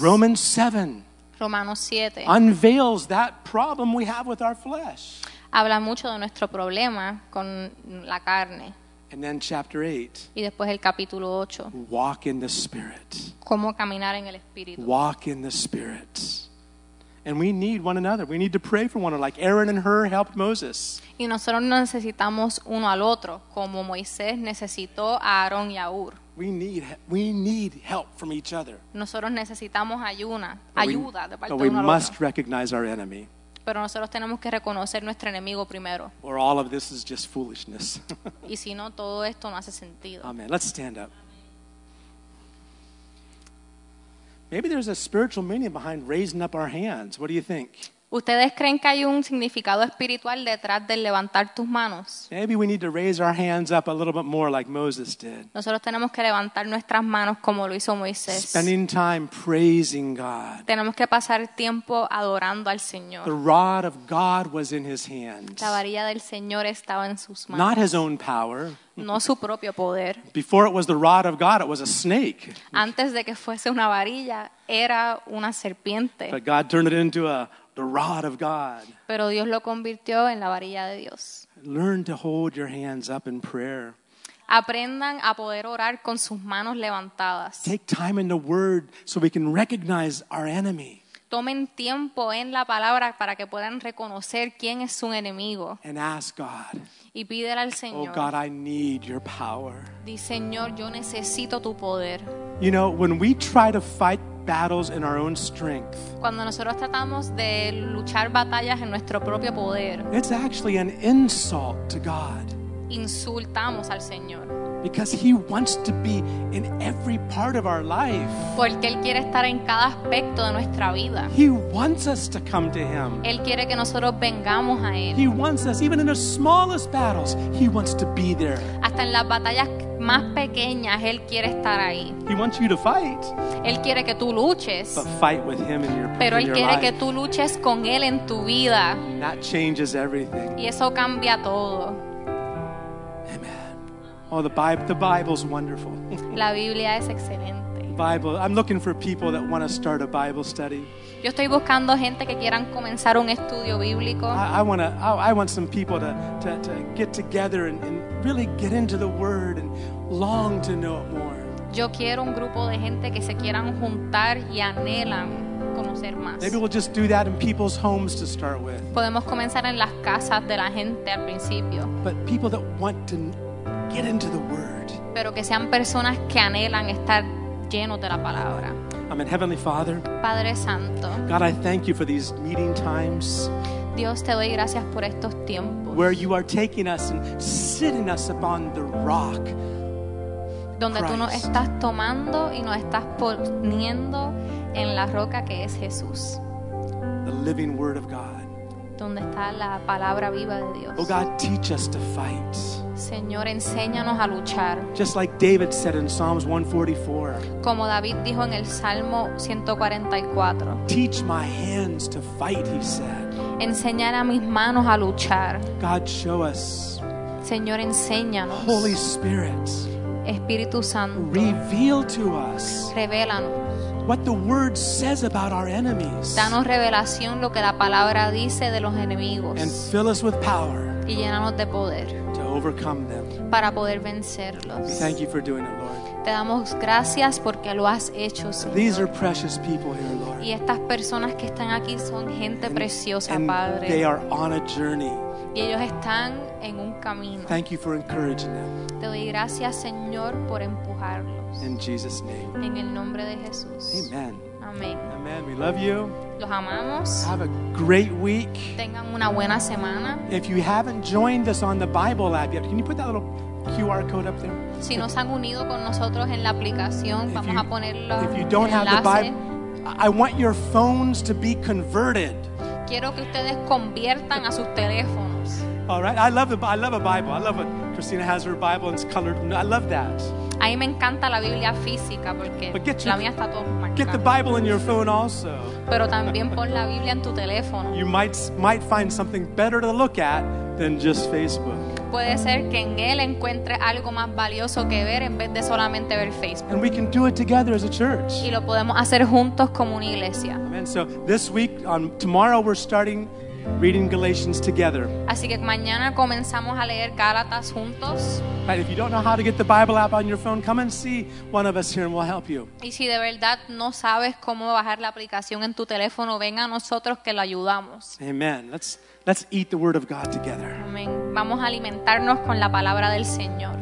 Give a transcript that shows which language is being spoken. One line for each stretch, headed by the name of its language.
English: Romans 7.
Spanish: Romanos 7.
English: Unveils that problem we have with our flesh.
Spanish: Habla mucho de nuestro problema con la carne.
English: And then chapter 8.
Spanish: Y después el capítulo 8.
English: Walk in the Spirit.
Spanish: ¿Cómo caminar en el Espíritu?
English: Walk in the Spirit. And we need one another. We need to pray for one another, like Aaron and Hur helped Moses.
Spanish: Y nosotros necesitamos uno al otro, como Moisés necesitó a Aarón y a Hur.
English: We need help from each other.
Spanish: Nosotros necesitamos ayuda de parte de uno al otro.
English: We must recognize our enemy.
Spanish: Pero nosotros tenemos que reconocer nuestro enemigo primero.
English: Or all of this is just foolishness.
Spanish: Y si no, todo esto no hace sentido.
English: Amen. Let's stand up. Maybe there's a spiritual meaning behind raising up our hands. What do you think?
Spanish: ¿Ustedes creen que hay un significado espiritual detrás de levantar tus manos?
English: Maybe we need to raise our hands up a little bit more like Moses did.
Spanish: Nosotros tenemos que levantar nuestras manos como lo hizo Moisés.
English: Spending time praising God.
Spanish: Tenemos que pasar tiempo adorando al Señor.
English: The rod of God was in his hands.
Spanish: La varilla del Señor estaba en sus manos.
English: Not his own power.
Spanish: No su propio poder.
English: Before it was the rod of God, it was a snake.
Spanish: Antes de que fuese una varilla, era una serpiente.
English: But God turned it into the rod of God.
Spanish: Pero Dios lo convirtió en la varilla de Dios.
English: Learn to hold your hands up in prayer.
Spanish: Aprendan a poder orar con sus manos levantadas.
English: Take time in the word so we can recognize our enemy.
Spanish: Tomen tiempo en la palabra para que puedan reconocer quién es su enemigo.
English: And ask God.
Spanish: Y pídele al Señor.
English: Oh God, I need your power.
Spanish: Di, Señor, yo necesito tu poder.
English: You know, when we try to fight battles in our own strength,
Spanish: cuando nosotros tratamos de luchar batallas en nuestro propio poder,
English: it's actually an insult to God.
Spanish: Insultamos al Señor.
English: Because he wants to be in every part of our life.
Spanish: Porque él quiere estar en cada aspecto de nuestra vida.
English: He wants us to come to him.
Spanish: Él quiere que nosotros vengamos a él.
English: He wants us, even in the smallest battles, he wants to be there.
Spanish: Hasta en las batallas más pequeñas, él quiere estar ahí.
English: He wants you to fight.
Spanish: Él quiere que tú luches.
English: But fight with him in your life.
Spanish: Pero él quiere que tú luches con él en tu vida.
English: And that changes everything.
Spanish: Y eso cambia todo.
English: Oh, the Bible's wonderful.
Spanish: La Biblia es excelente.
English: Bible. I'm looking for people that want to start a Bible study.
Spanish: Yo estoy buscando gente que quieran comenzar un estudio bíblico.
English: I want some people to get together and really get into the Word and long to know it more.
Spanish: Yo quiero un grupo de gente que se quieran juntar y anhelan conocer más.
English: Maybe we'll just do that in people's homes to start with.
Spanish: Podemos comenzar en las casas de la gente al principio.
English: But people that want to get into the word.
Spanish: Pero que sean personas que anhelan estar llenos de la palabra.
English: Amen. Heavenly Father.
Spanish: Padre Santo.
English: God, I thank you for these meeting times.
Spanish: Dios, te doy gracias por estos tiempos.
English: Where you are taking us and sitting us upon the rock.
Spanish: Donde tú nos estás tomando y nos estás poniendo en la roca que es Jesús.
English: The living word of God.
Spanish: Donde está la palabra viva de Dios.
English: Oh God, teach us to fight.
Spanish: Señor, enséñanos a luchar.
English: Just like David said in Psalms 144.
Spanish: Como David dijo en el Salmo 144.
English: Teach my hands to fight, he said.
Spanish: Enseñar a mis manos a luchar.
English: God, show us.
Spanish: Señor, enséñanos.
English: Holy Spirit.
Spanish: Espíritu Santo.
English: Reveal to us.
Spanish: Revélanos.
English: What the word says about our enemies.
Spanish: Danos revelación lo que la palabra dice de los enemigos.
English: And fill us with power.
Spanish: Y llénanos de poder.
English: Overcome them.
Spanish: Para poder vencerlos.
English: We thank you for doing it, Lord.
Spanish: Te damos gracias porque lo has hecho, Señor.
English: These are precious people here, Lord.
Spanish: Y estas personas que están aquí son gente preciosa, Padre.
English: They are on a journey.
Spanish: Y ellos están en un camino.
English: Thank you for encouraging them.
Spanish: Te doy gracias, Señor, por empujarlos.
English: In Jesus' name.
Spanish: En el nombre de Jesús.
English: Amen.
Spanish: Amen.
English: Amen. We love you.
Spanish: Los amamos.
English: Have a great week.
Spanish: Tengan una buena semana.
English: If you haven't joined us on the Bible app yet, can you put that little QR code up there?
Spanish: Si no se han unido con nosotros en la aplicación, vamos a ponerlo.
English: If you don't have the Bible, I want your phones to be converted.
Spanish: Quiero que ustedes conviertan a sus teléfonos.
English: All right. I love a Bible. I love it. Christina has her Bible and it's colored. I love that.
Spanish: A mí me encanta la Biblia física porque la mía está todo marcada.
English: Get the Bible in your phone also.
Spanish: Pero también pon la Biblia en tu teléfono.
English: You might find something better to look at than just Facebook.
Spanish: Puede ser que en él encuentre algo más valioso que ver en vez de solamente ver Facebook.
English: And we can do it together as a church.
Spanish: Y lo podemos hacer juntos como una iglesia.
English: Amen. So this week, tomorrow we're starting reading Galatians together.
Spanish: Así que mañana comenzamos a leer Gálatas juntos.
English: Right, if you don't know how to get the Bible app on your phone, come and see one of us here and we'll help you.
Spanish: Y si de verdad no sabes cómo bajar la aplicación en tu teléfono, ven a nosotros que lo ayudamos.
English: Amen. Let's eat the word of God together.
Spanish: Amén. Vamos a alimentarnos con la palabra del Señor.